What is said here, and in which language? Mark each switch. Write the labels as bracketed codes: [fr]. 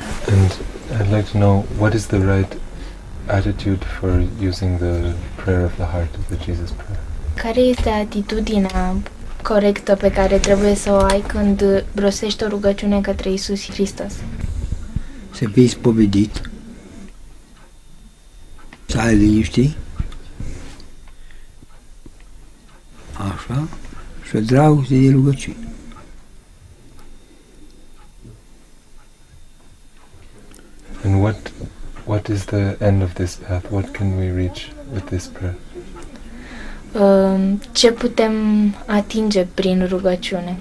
[en] And I'd like to know, what is the right attitude for using the prayer of the heart, the Jesus prayer? [ro] Care este atitudinea corectă pe care trebuie să o ai când rostești o rugăciune către Iisus Hristos? Să fii spovedit, să ai liniște, așa, și o dragoste de rugăciune. [en] And what is the end of this path? What can we reach with this prayer? [ro] Ce putem atinge prin rugăciune?